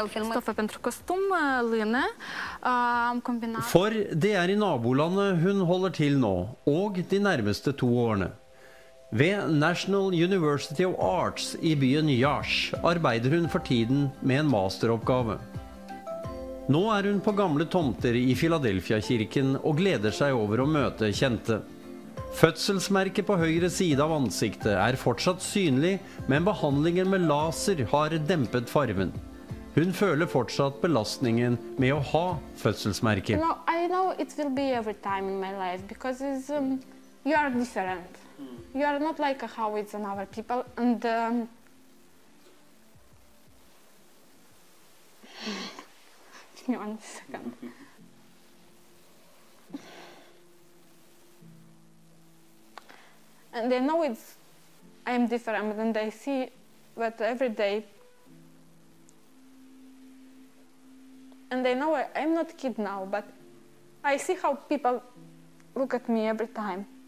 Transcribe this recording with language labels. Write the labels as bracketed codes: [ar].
[ro] stoffet pentru costum, lână, am combinat... [no] For det i nabolandet hun holder til nå, og de nærmeste to årene. Ved National University of Arts i byen Yash arbeider hun for tiden med en masteroppgave. Nå hun på gamle tomter i Philadelphia-kirken og gleder seg over å møte kjente. Fødselsmerket på høyre side av ansiktet fortsatt synlig, men behandlingen med laser har dempet farven. Hun føler fortsatt belastningen med å ha fødselsmerket. [en] No, I know it will be every time in my life because it's, you are different. You are not like how it's in other people and And they know it's I'm different and they see that every day and they know I'm not a kid now, but I see how people look at me every time.